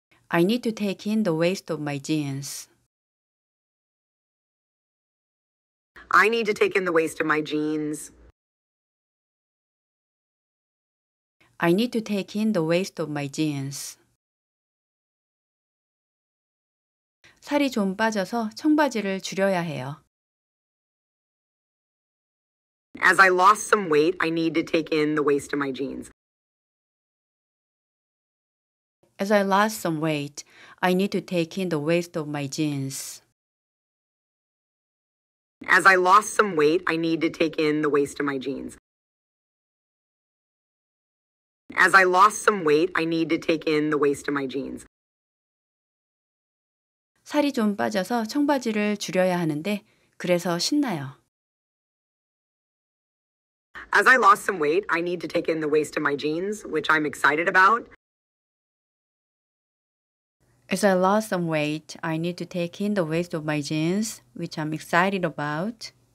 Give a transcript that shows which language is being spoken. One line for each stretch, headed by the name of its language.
English: I need to take in the waist of my jeans. I need to take in the waist of my jeans. I need to take in the waist of my jeans.
Korean: 살이 좀 빠져서 청바지를 줄여야 해요.
English: As I lost some weight, I need to take in the waist of my jeans. As I lost some weight, I need to take in the waist of my jeans. As I lost some weight, I need to take in the waist of my jeans. As I lost some weight, I need to take in the waist of my jeans.
Korean: 살이 좀 빠져서 청바지를 줄여야 하는데 그래서 신나요.
English: As I lost some weight, I need to take in the waist of my jeans, which I'm excited about. As I lost some weight, I need to take in the waist of my jeans, which I'm excited about.